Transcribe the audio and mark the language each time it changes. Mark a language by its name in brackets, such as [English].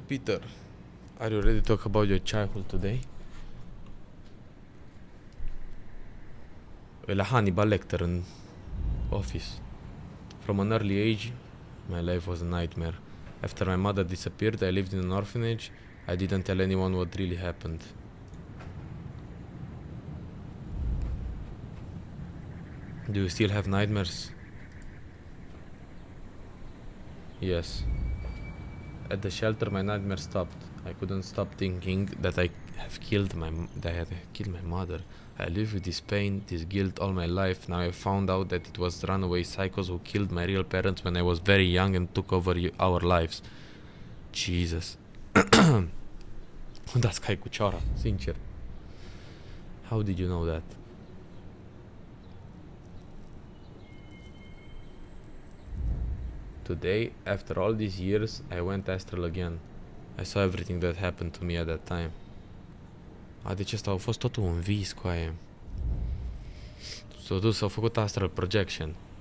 [English] Peter, are you ready to talk about your childhood today? [Romanian] La Hannibal Lecter în office. [English] From an early age, my life was a nightmare. After my mother disappeared, I lived in an orphanage. I didn't tell anyone what really happened. Do you still have nightmares? Yes. At the shelter, my nightmare stopped. I couldn't stop thinking that I have killed my mother. I live with this pain, this guilt all my life. Now I found out that it was runaway psychos who killed my real parents when I was very young and took over our lives. Jesus. [Romanian] Unda-s cai cu cioara, sincer. [English] How did you know that? Today, after all these years, I went astral again. I saw everything that happened to me at that time. [Romanian] A, deci asta a fost totul un vis, coaie. Totul s-a făcut [English] astral projection.